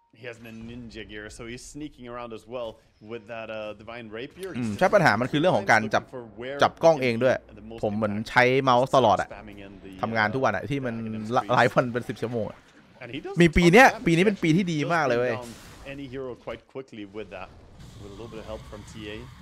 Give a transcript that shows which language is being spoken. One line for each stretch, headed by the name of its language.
English: he has the ninja gear so he's sneaking around as well with that divine rapier
Thai: ใช่ปัญหามันคือเรื่องของการจับกล้องเองด้วยผมเหมือนใช้เมาส์ตลอดอ่ะทำงานทุกวันอ่ะที่มันหลายวันเป็น10ชั่วโมงมีปีนี้เป็นปีที่ดีมากเลยเว้ย
English: any hero quite quickly with that with a little bit of help from TA